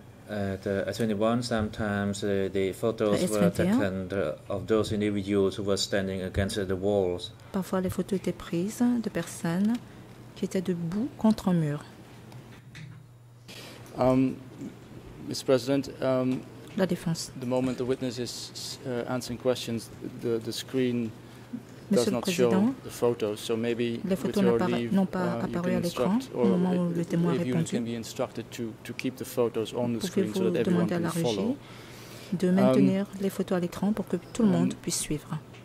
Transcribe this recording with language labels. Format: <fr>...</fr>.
<en>At S21, sometimes the photos were taken of those individuals who were standing against the walls.</en> <fr>Parfois, les photos étaient prises de personnes qui étaient debout contre un mur.</fr> <en>Mr. President,</en> <fr>la défense.</fr> <en>The moment the witness is answering questions, the screen</en> <fr>Monsieur</fr> <en>does not show the photos, so maybe</en> <fr>les photos</fr> <en>with your leave,</en> <fr>n'ont pas apparu à l'écran au moment où le témoin a répondu.</fr> <en>You can be instructed to keep the photos on the screen so that everyone can follow.</en> <fr>De maintenir les photos à l'écran pour que tout le monde puisse suivre.</fr>